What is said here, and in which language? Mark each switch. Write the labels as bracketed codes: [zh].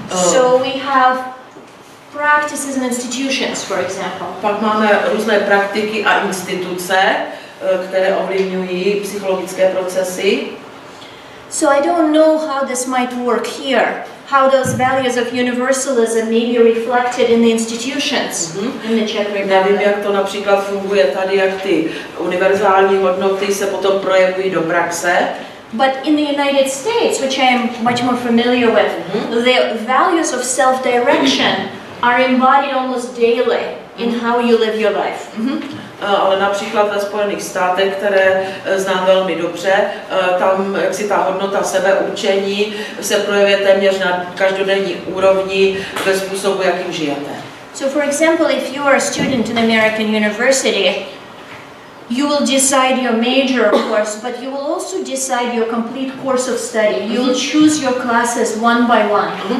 [en] So we have practices and institutions, for example. [cs] Pak máme různé praktiky a instituce, které ovlivňují psychologické procesy. [en] So I don't know how this might work here, how those values of universalism may be reflected in the institutions in the Czech Republic. [cs] Nevím, jak to například funguje tady, jak ty univerzální hodnoty se potom projevují do praxe. [en] But in the United States, which I am much more familiar with, the values of self-direction are embodied almost daily in how you live your life. [cs] Ale například ve Spojených státech, které znám velmi dobře, tam jaksi ta hodnota sebeurčení se projevuje téměř na každodenní úrovni ve způsobu, jakým žijete. [en] So for example, if you are a student in American university, you will decide your major, of course, but you will also decide your complete course of study. You will choose your classes one by one.